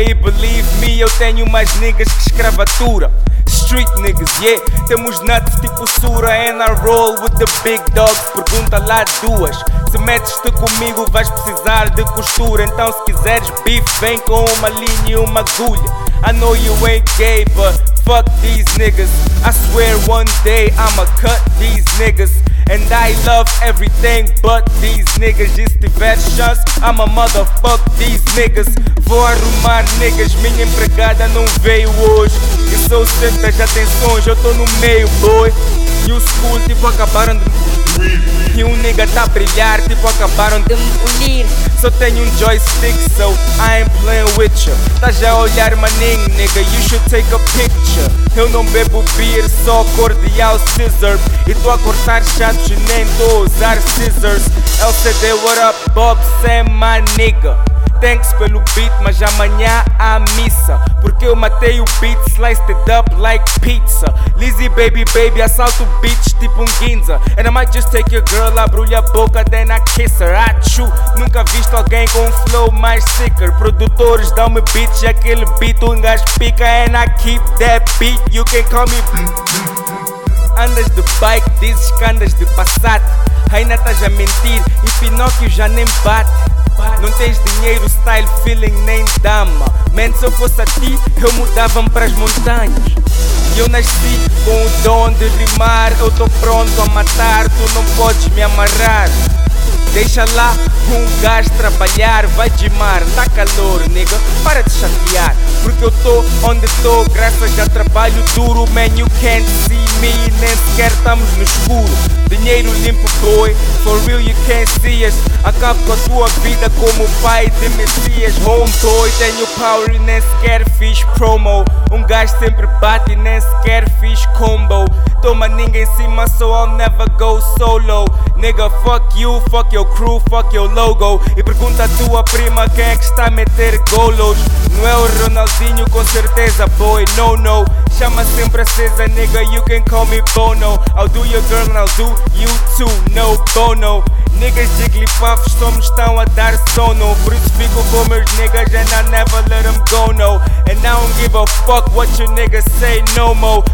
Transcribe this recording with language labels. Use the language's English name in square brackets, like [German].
[Portuguese] E [English] believe me, [Portuguese] eu tenho mais niggas que escravatura. [English] Street niggas, yeah, [Portuguese] temos nuts tipo Sura. [English] And I roll with the big dog, [Portuguese] pergunta lá duas. Se metes-te comigo vais precisar de costura. Então se quiseres beef, vem com uma linha e uma agulha. [English] I know you ain't gay, but fuck these niggas. I swear one day I'ma cut these niggas. And I love everything but these niggas. [Portuguese] E se tiver chance, [English] I'ma motherfuck these niggas. [Portuguese] Vou arrumar niggas, minha empregada não veio hoje. Eu sou centro das atenções, eu tô no meio, boy. New school, tipo acabaram de... E um nigga tá a brilhar, tipo acabaram de me punir. Só tenho um joystick, [English] so I ain't playing with ya. [Portuguese] Tá já a olhar maninho, [English] nigga, you should take a picture. [Portuguese] Eu não bebo beer, só cordial scissor. E tô a cortar chatos e nem tô a usar scissors. LCD, [English] what up, [Portuguese] Bob Sam, [English] my nigga. [Portuguese] Thanks pelo beat, mas amanhã há missa. Porque eu matei o beat, [English] sliced it up like pizza. [Portuguese] Lizzy baby baby, assalto beats tipo um guinza. [English] And I might just take your girl, [Portuguese] abro-lhe a boca, [English] then I kiss her. [Portuguese] Achu, nunca visto alguém com um flow mais sicker. Produtores dão-me beats e aquele beat um gajo pica. [English] And I keep that beat, you can call me. [Portuguese] Andas de bike, dizes que andas de Passat. Ainda estás a mentir e Pinóquio já nem bate. Não tens dinheiro, style, feeling, nem dama. Man, se eu fosse a ti, eu mudava-me para as montanhas. E eu nasci com o dom de rimar. Eu tô pronto a matar, tu não podes me amarrar. Deixa lá um gajo trabalhar, vai de mar. Tá calor, nigga, para de chatear. Porque eu tô onde tô, graças a trabalho duro. Man, [English] you can't see me, [Portuguese] nem sequer estamos no escuro. Dinheiro limpo, [English] boy, for real you can't see us. [Portuguese] Acabo com a tua vida como pai de Messias. Home boy, tenho power e nem sequer fiz promo. Um gajo sempre bate e nem sequer fiz combo. Toma ninguém em cima, [English] so I'll never go solo. Nigga, fuck you, fuck your crew, fuck your logo. [Portuguese] E pergunta a tua prima quem é que está a meter golos. Não é o Ronaldinho, com certeza, boy, no, no. Chama sempre acesa, [English] nigga, you can call me Bono. I'll do your girl and I'll do you too, no Bono. [Portuguese] Niggas de Jigglypuff, somos tão a dar sono. Por isso fico com meus niggas [English] and I never let them go, no. And I don't give a fuck what your niggas say, no mo.